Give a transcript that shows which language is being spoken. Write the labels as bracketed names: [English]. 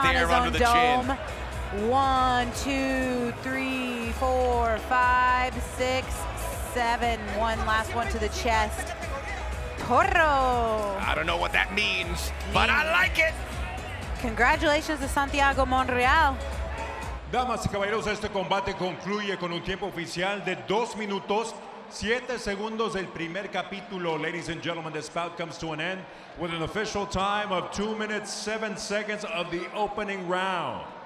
[English] there under the chin. One, two, three, four, five, six, seven. One last one to the chest. Toro. I don't know what that means, but I like it. Congratulations to Santiago Monreal. [Spanish] Damas y caballeros, este combate concluye con un tiempo oficial de 2:07 del primer capítulo. [English] Ladies and gentlemen, this bout comes to an end with an official time of 2:07 of the opening round.